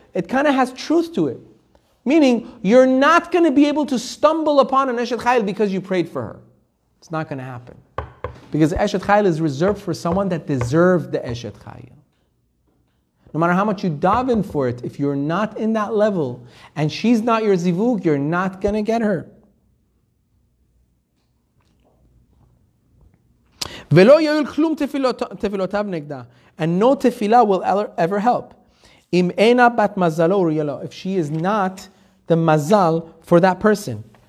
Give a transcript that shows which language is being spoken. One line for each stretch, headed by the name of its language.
English: It kind of has truth to it. Meaning you're not gonna be able to stumble upon an Eshet Chayil because you prayed for her. It's not gonna happen. Because Eshet Chayil is reserved for someone that deserved the Eshet Chayil. No matter how much you daven for it, if you're not in that level and she's not your zivug, you're not gonna get her.
Hebrew: ולא יועיל כלום תפילותיו נגדה.
English: And no tefillah will ever help.
Hebrew: אם אינה בת מזלו ראויה לו.
English: If she is not the mazal for that person.